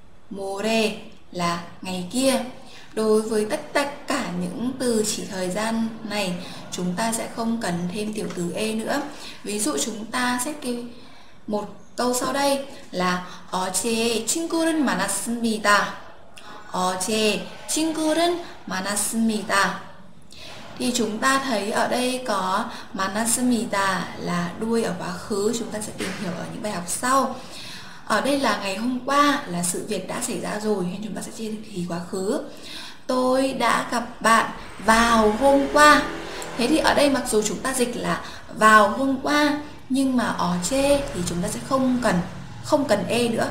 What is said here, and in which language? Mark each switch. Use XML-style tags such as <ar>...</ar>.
<vi>모레 là ngày kia. Đối với tất cả những từ chỉ thời gian này, chúng ta sẽ không cần thêm tiểu từ E nữa. Ví dụ chúng ta sẽ kêu một câu sau đây là</vi> <ko>어제 친구를 만났습니다. 어제 친구를 만났습니다.</ko> <vi>Thì chúng ta thấy ở đây có 만났습니다 là đuôi ở quá khứ, chúng ta sẽ tìm hiểu ở những bài học sau. Ở đây là ngày hôm qua, là sự việc đã xảy ra rồi, nên chúng ta sẽ chia thì quá khứ. Tôi đã gặp bạn vào hôm qua. Thế thì ở đây mặc dù chúng ta dịch là vào hôm qua, nhưng mà ở chê thì chúng ta sẽ không cần E nữa.</vi>